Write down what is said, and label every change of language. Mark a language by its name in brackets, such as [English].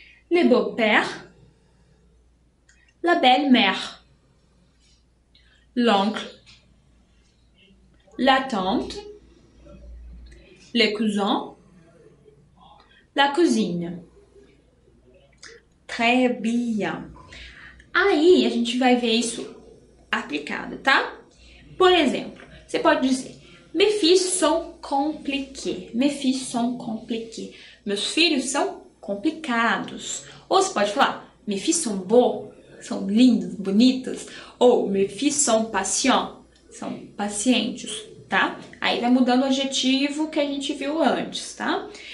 [French] les beaux-pères, la belle-mère, l'oncle, la tante, les cousins, la cousine. Très bien. [Portuguese] Aí a gente vai ver isso aplicado, tá? Por exemplo, você pode dizer: [French] mes fils sont compliqués. Mes fils sont compliqués. [Portuguese] Meus filhos são complicados. Ou você pode falar: [French] mes fils sont beaux. [Portuguese] São lindos, bonitos. [French] Ou mes fils sont patients. [Portuguese] São pacientes. Tá? Aí vai mudando o adjetivo que a gente viu antes, tá?